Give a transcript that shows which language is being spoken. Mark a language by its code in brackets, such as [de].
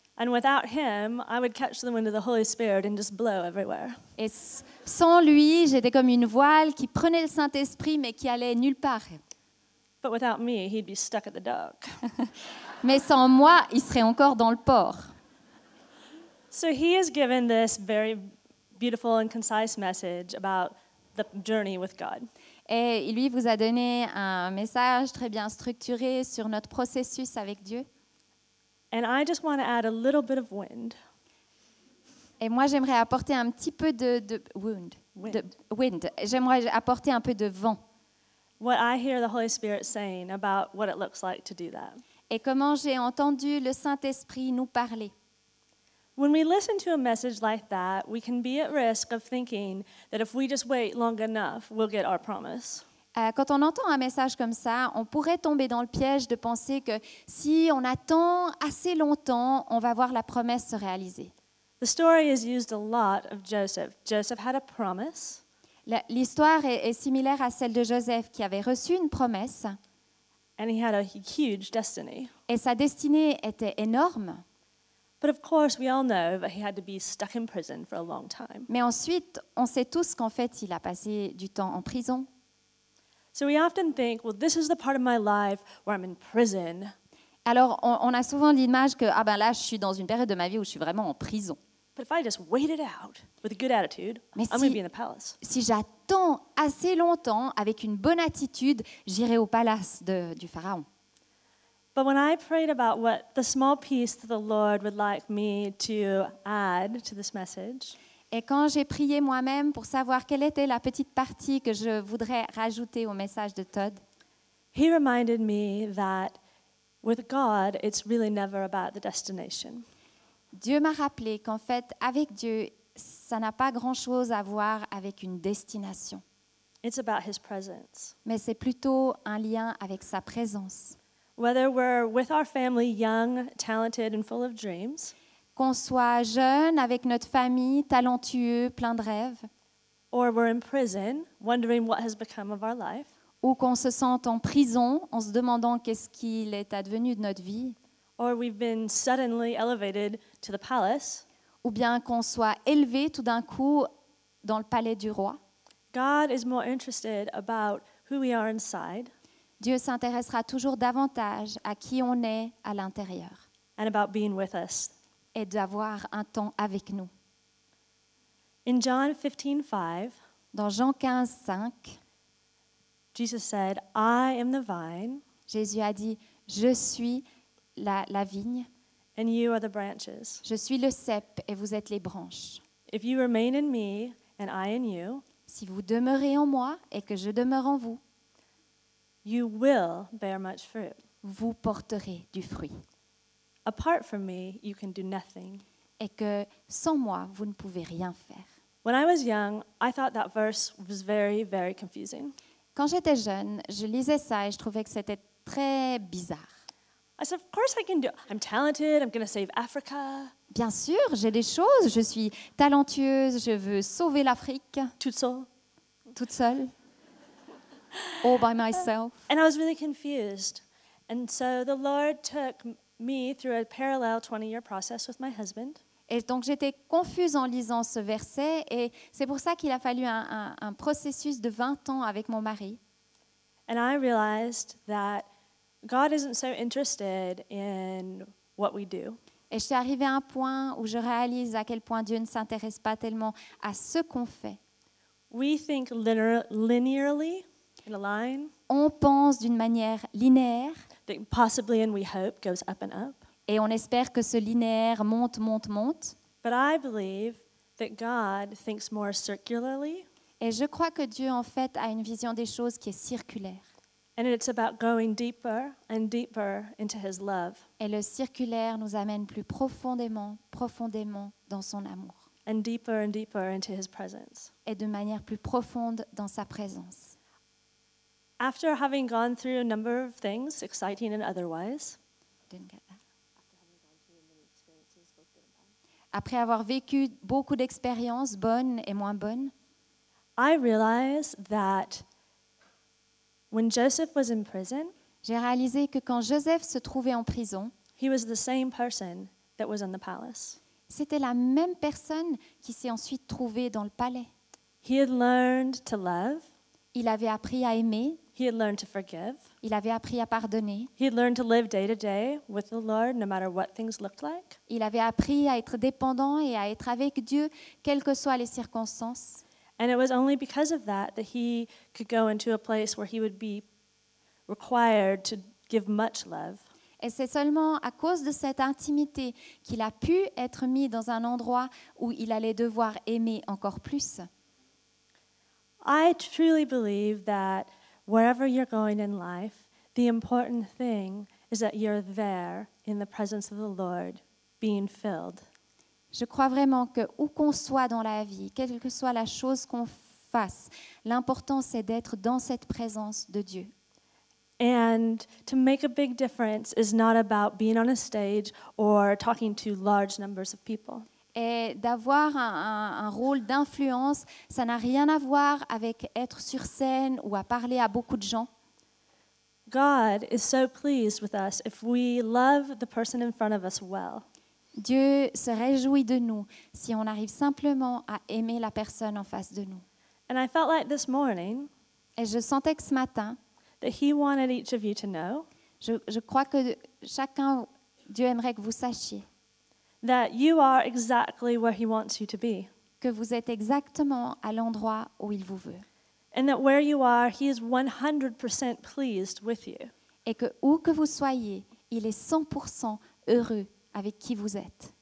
[en] And without him, I would catch the wind of the Holy Spirit and just blow everywhere. [fr] Et sans lui, j'étais comme une voile qui prenait le Saint-Esprit mais qui allait nulle part. [en] But without me, he'd be stuck at the dock. [fr] Mais sans moi, il serait encore dans le port. [en] So he has given this very beautiful and concise message about the journey with God. [fr] Et lui vous a donné un message très bien structuré sur notre processus avec Dieu. [en] And I just want to add a little bit of wind. [fr] Et moi j'aimerais apporter un petit peu J'aimerais apporter un peu de vent. [en] What I hear the Holy Spirit saying about what it looks like to do that. [fr] Et comment j'ai entendu le Saint-Esprit nous parler. [en] When we listen to a message like that, we can be at risk of thinking that if we just wait long enough, we'll get our promise. [fr] Quand on entend un message comme ça, on pourrait tomber dans le piège de penser que si on attend assez longtemps, on va voir la promesse se réaliser. [en] The story is used a lot of Joseph. Joseph had a promise. [fr] L'histoire est similaire à celle de Joseph qui avait reçu une promesse. [en] And he had a huge destiny. [fr] Et sa destinée était énorme. [en] But of course, we all know that he had to be stuck in prison for a long time. [fr] Mais ensuite, on sait tous qu'en fait, il a passé du temps en prison. [en] So we often think, well, this is the part of my life where I'm in prison. [fr] Alors, on a souvent l'image que, ah ben là, je suis dans une période de ma vie où je suis vraiment en prison. [en] But if I just wait it out with a good attitude, [fr] Mais [en] I'm going to be in the palace. [fr] Si j'attends assez longtemps avec une bonne attitude, j'irai au palace du pharaon. [en] But when I prayed about what the small piece that the Lord would like me to add to this message. [fr] Et quand j'ai prié moi-même pour savoir quelle était la petite partie que je voudrais rajouter au message de Todd, [en] he reminded me that with God, it's really never about the destination. [fr] Dieu m'a rappelé qu'en fait, avec Dieu, ça n'a pas grand-chose à voir avec une destination. [en] It's about his presence. [fr] Mais c'est plutôt un lien avec sa présence. [en] Whether we're with our family, young, talented, and full of dreams, [fr] qu'on soit jeune avec notre famille, talentueux, plein de rêves. [en] Or we're in prison, wondering what has become of our life. [fr] Ou qu'on se sente en prison en se demandant qu'est-ce qu'il est advenu de notre vie. [en] Or we've been suddenly elevated to the palace. [fr] ou bien qu'on soit élevé tout d'un coup dans le palais du roi. [en] God is more interested about who we are inside. [fr] Dieu s'intéressera toujours davantage à qui on est à l'intérieur. [en] And about being with us. [fr] Et d'avoir un temps avec nous. [en] In John 15:5, [fr] dans Jean 15:5, [en] Jesus said, "I am the vine." [fr] Jésus a dit, "Je suis la vigne." [en] And you are the branches. [fr] Je suis le cep et vous êtes les branches. [en] If you remain in me and I in you, [fr] si vous demeurez en moi et que je demeure en vous, [en] you will bear much fruit. [fr] Vous porterez du fruit. [en] Apart from me, you can do nothing. [fr] Et que sans moi, vous ne pouvez rien faire. [en] When I was young, I thought that verse was very, very confusing. [fr] Quand j'étais jeune, je lisais ça et je trouvais que c'était très bizarre. [en] I said, of course I can do it. I'm talented, I'm going to save Africa. [fr] Bien sûr, j'ai des choses, je suis talentueuse, je veux sauver l'Afrique. Toute seule. [en] All by myself. And I was really confused. And so the Lord took me through a parallel 20-year process with my husband. [fr] Et donc j'étais confuse en lisant ce verset et c'est pour ça qu'il a fallu un processus de 20 ans avec mon mari. [en] And I realized that God isn't so interested in what we do. [fr] Et je suis arrivée à un point où je réalise à quel point Dieu ne s'intéresse pas tellement à ce qu'on fait. [en] We think linearly in a line. [fr] On pense d'une manière linéaire. [en] That possibly and we hope goes up and up. [fr] Et on espère que ce linéaire monte. [en] But I believe that God thinks more circularly. [fr] Et je crois que Dieu en fait a une vision des choses qui est circulaire. [en] And it's about going deeper and deeper into his love. [fr] Et le circulaire nous amène plus profondément dans son amour. [en] And deeper and deeper into his presence. [fr] Et de manière plus profonde dans sa présence. [en] After having gone through a number of things, exciting and otherwise. Didn't get that. After having gone through many experiences, both good and bad. [fr] Après avoir vécu beaucoup d'expériences bonnes et moins bonnes. [en] I realize that when Joseph was in prison, [fr] j'ai réalisé que quand Joseph se trouvait en prison, [en] he was the same person that was in the palace. [fr] C'était la même personne qui s'est ensuite trouvée dans le palais. [en] He had learned to love. [fr] Il avait appris à aimer. [en] He had learned to forgive. [fr] Il avait appris à pardonner. [en] He had learned to live day to day with the Lord, no matter what things looked like. [fr] Il avait appris à être dépendant et à être avec Dieu, quelles que soient les circonstances. [en] And it was only because of that that he could go into a place where he would be required to give much love. [fr] Et c'est seulement à cause de cette intimité qu'il a pu être mis dans un endroit où il allait devoir aimer encore plus. [en] I truly believe that wherever you're going in life, the important thing is that you're there in the presence of the Lord, being filled. [fr] Je crois vraiment que où qu'on soit dans la vie, quelle que soit la chose qu'on fasse, l'important c'est d'être dans cette présence de Dieu. [en] And to make a big difference is not about being on a stage or talking to large numbers of people. [fr] Et d'avoir un rôle d'influence, ça n'a rien à voir avec être sur scène ou à parler à beaucoup de gens. [en] God is so pleased with us if we love the person in front of us well. [fr] Dieu se réjouit de nous si on arrive simplement à aimer la personne en face de nous. [en] And I felt like this morning, [fr] et je sentais que ce matin, [en] that he wanted each of you to know, [fr] je crois que chacun, Dieu aimerait que vous sachiez [en] that you are exactly where he wants you to be. [fr] Que vous êtes exactement à l'endroit où il vous veut. [en] And that where you are, he is 100% pleased with you. [fr] Et que où que vous soyez, il est 100% heureux avec qui vous êtes.